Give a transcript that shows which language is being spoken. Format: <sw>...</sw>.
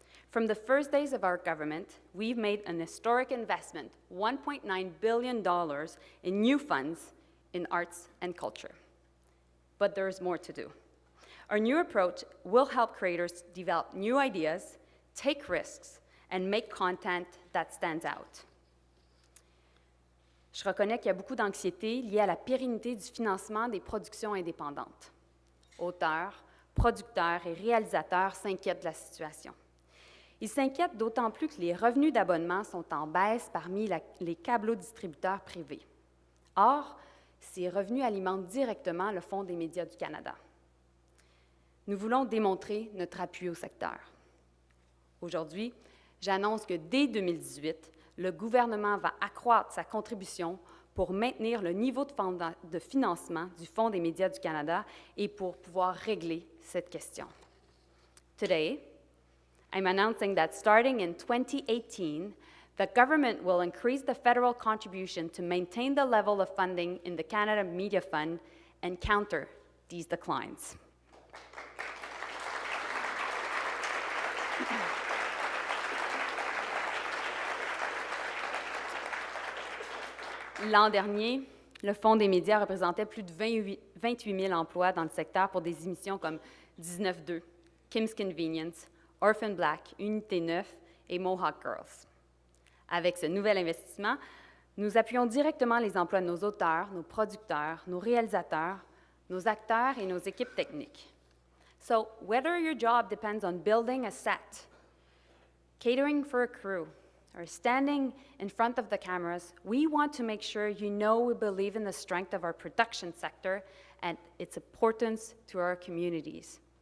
<en>From the first days of our government, we've made an historic investment, $1.9 billion, in new funds in arts and culture. But there is more to do. Our new approach will help creators develop new ideas, take risks, and make content that stands out.</en> <fr>Je reconnais qu'il y a beaucoup d'anxiété liée à la pérennité du financement des productions indépendantes. Auteurs, producteurs et réalisateurs s'inquiètent de la situation. Ils s'inquiètent d'autant plus que les revenus d'abonnement sont en baisse parmi les câblos distributeurs privés. Or, ces revenus alimentent directement le Fonds des médias du Canada. Nous voulons démontrer notre appui au secteur. Aujourd'hui, j'annonce que dès 2018, le gouvernement va accroître sa contribution pour maintenir le niveau de financement du Fonds des médias du Canada et pour pouvoir régler cette question.</fr> <en>Today, I'm announcing that starting in 2018, the government will increase the federal contribution to maintain the level of funding in the Canada Media Fund and counter these declines.</en> <fr>L'an dernier, le Fonds des médias représentait plus de 28 000 emplois dans le secteur pour des émissions comme 19-2, Kim's Convenience, Orphan Black, Unité 9 et Mohawk Girls. Avec ce nouvel investissement, nous appuyons directement les emplois de nos auteurs, nos producteurs, nos réalisateurs, nos acteurs et nos équipes techniques.</fr> <en>So, whether your job depends on building a set, catering for a crew, or standing in front of the cameras, we want to make sure you know we believe in the strength of our production sector and its importance to our communities.</en>